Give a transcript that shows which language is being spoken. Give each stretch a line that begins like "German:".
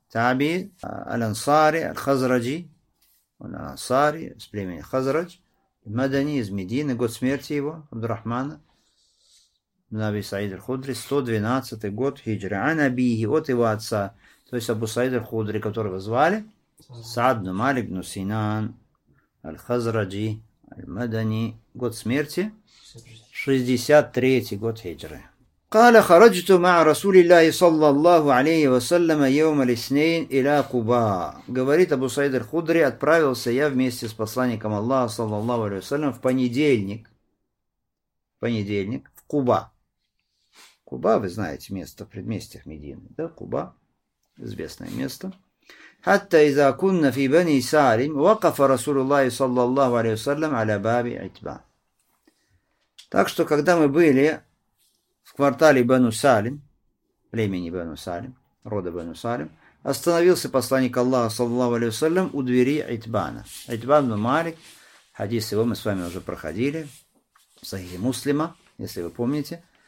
Russian: Таби Аль-Ансари Аль-Хазраджи. Он Ансари, с племени Хазрадж, Мадани из Медины, год смерти его, Абдур-Рахмана, ибн Аби Саид аль-Худри, 112 год хиджры. Ан-Абихи, вот его отца, то есть Абу Саид аль-Худри, которого звали, Саад ибн Малик ибн Синан, аль-Хазраджи, аль-Мадани, год смерти, 63 год хиджры.
Arabic: قال خرجت مع رسول الله صلى الله عليه وسلم يوم الاثنين الى قباء.
Russian: Говорит Абу Саид аль-Худри, отправился я вместе с посланником Аллаха
Arabic: صلى الله عليه وسلم
Russian: в понедельник. Понедельник в Куба. Куба, вы знаете, место в предместьях Медины, да, Куба, известное место.
Arabic: حتى اذا كنا في بني سالم وقف رسول الله صلى الله عليه وسلم على باب عتبان.
Russian: Так что когда мы были в квартале Бану Салим, племени Бану Салим, рода Бану Салим, остановился посланник Аллаха, саллаллаху алейхи ва саллям, у двери Итбана. Итбан ибн Малик, хадис его мы с вами уже проходили, в Сахихе Муслима, если вы помните.